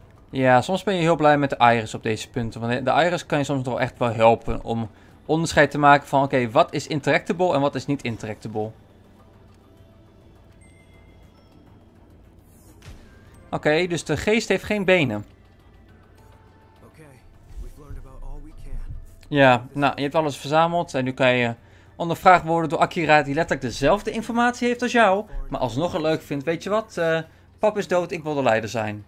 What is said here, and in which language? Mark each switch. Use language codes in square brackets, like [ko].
[nl] Ja, soms ben je heel blij met de Iris op deze punten. Want de Iris kan je soms toch echt wel helpen om... onderscheid te maken van, oké, wat is interactable en wat is niet interactable. Oké, dus de geest heeft geen benen. [en] Okay, we've learned about all we can. [nl] Ja, nou, je hebt alles verzameld en nu kan je ondervraagd worden door Akira, die letterlijk dezelfde informatie heeft als jou, maar alsnog het leuk vindt, weet je wat, pap is dood, ik wil de leider zijn.